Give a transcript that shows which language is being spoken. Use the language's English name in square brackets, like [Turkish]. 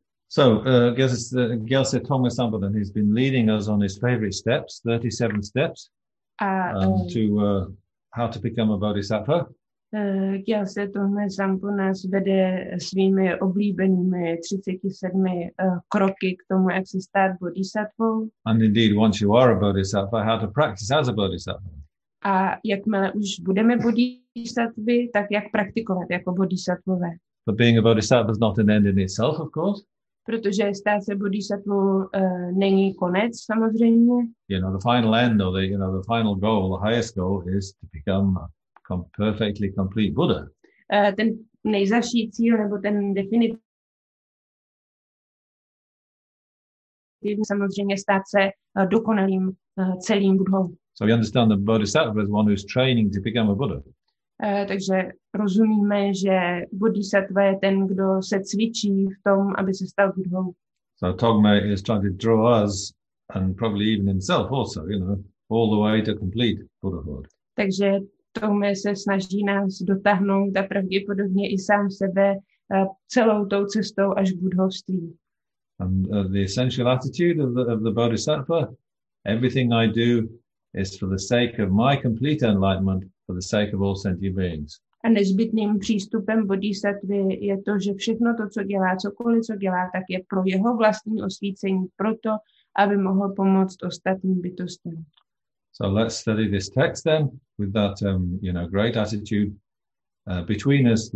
[English] So, Gyaltse Tongme Sampo then, he's been leading us on his favorite steps, 37 steps, how to become a bodhisattva. [Czech] Gyaltse Tongme Sampo nás vede svými oblíbenými 37 kroky k tomu, jak se stát bodhisattvou. [English] And indeed, once you are a bodhisattva, how to practice as a bodhisattva. [Czech] A jakmile už budeme bodhisattvy, tak jak praktikovat jako bodhisattvové. [English] But being a bodhisattva is not an end in itself, of course. [Czech] Protože stát se bodhisattvou není konec, samozřejmě. [English] You know, the final end or the, you know, the final goal, the highest goal is to become a perfectly complete Buddha. [Czech] Ten nejzazší cíl nebo ten definitivní samozřejmě stát se dokonalým celým Buddhou. [English] So we understand that bodhisattva is one who's training to become a Buddha. [Czech] Takže rozumíme, že bodhisattva je ten, kdo se cvičí v tom, aby se stal Buddhou. [English] So Tongme is trying to draw us and probably even himself also, you know, all the way to complete Buddhahood. [Czech] Takže Tongme se snaží nás dotáhnout a pravděpodobně i sám sebe celou tou cestou až budhovství. [English] And the essential attitude of the bodhisattva, everything I do is for the sake of my complete enlightenment, for the sake of all sentient beings. [Czech] A nezbytným přístupem bodhisattvy je to, že všechno to, co dělá, cokoliv, co dělá, tak je pro jeho vlastní osvícení, proto, aby mohl pomoct ostatním bytostem. [English] So let's study this text then, with that you know, great attitude between us.